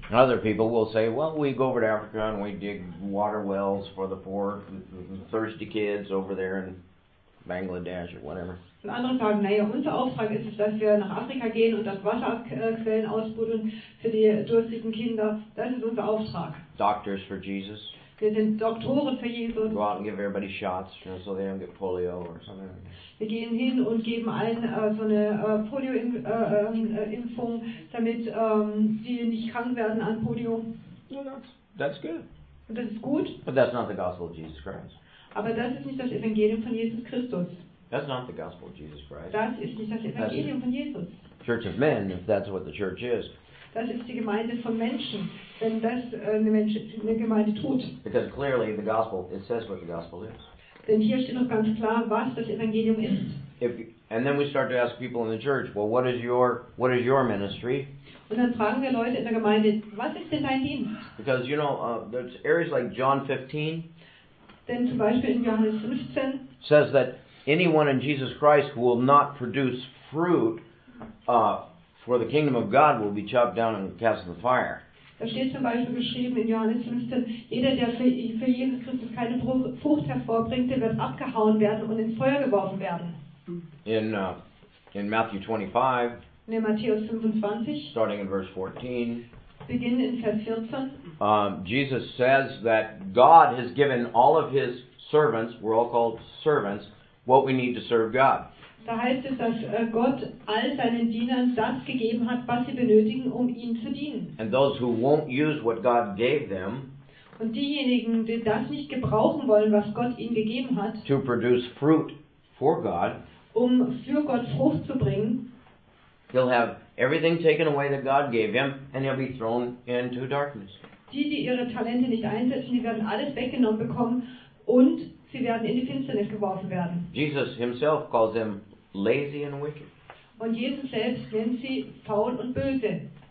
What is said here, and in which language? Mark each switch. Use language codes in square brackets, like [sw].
[en] Other people will say, well, we go over to Africa and we dig water wells for the poor, the thirsty kids over there in Bangladesh or whatever. [de] Und andere sagen, naja, unser Auftrag ist es, dass wir nach Afrika gehen und dann Wasserquellen ausbuddeln für die durstigen Kinder. Das ist unser Auftrag. [en] Doctors for Jesus. [de] Wir sind Doktoren für Jesus. [en] Go out and give everybody shots, you know, so they don't get polio or something. [de] Wir gehen hin und geben allen so eine Polio-Impfung, damit sie nicht krank werden an Polio. [en] That's good. [de] Und das ist gut. [en] But that's not the gospel of Jesus Christ. [de] Aber das ist nicht das Evangelium von Jesus Christus. [en] That's not the gospel of Jesus Christ. [de] Das ist nicht das Evangelium von Jesus. [en] Church of men, if that's what the church is. [de] Das ist die Gemeinde von Menschen, wenn das eine Gemeinde tut. [en] Because clearly the gospel, it says what the gospel is. [de] Denn hier steht noch ganz klar, was das Evangelium ist. [en] And then we start to ask people in the church, well, what is your ministry? [de] Und dann fragen wir Leute in der Gemeinde, was ist denn dein Dienst? [en] Because, you know, there's areas like John 15. [de] Denn zum Beispiel in Johannes 15. [en] Says that anyone in Jesus Christ who will not produce fruit, for the kingdom of God will be chopped down and cast in the fire. [de] Da steht zum Beispiel geschrieben in Johannes 15, jeder, der für Jesus Christus keine Frucht hervorbringt, der wird abgehauen werden und ins Feuer geworfen werden. [en] In Matthew 25, [de] in Matthäus 25, [en] starting in verse 14, [de] beginnen in Vers 14, [en] Jesus says that God has given all of his servants, we're all called servants, what we need to serve God. [de] Da heißt es, dass Gott all seinen Dienern das gegeben hat, was sie benötigen, um ihm zu dienen. [en] And those who won't use what God gave them, [de] und diejenigen, die das nicht gebrauchen wollen, was Gott ihnen gegeben hat, [en] to produce fruit for God, [de] um für Gott Frucht zu bringen, [en] he'll have everything taken away that God gave him, and he'll be thrown into darkness. [de] Die, die ihre Talente nicht einsetzen, die werden alles weggenommen bekommen und sie werden in die Finsternis geworfen werden. [en] Jesus himself calls them lazy and wicked. [de] Und Jesus selbst nennt sie faul und böse.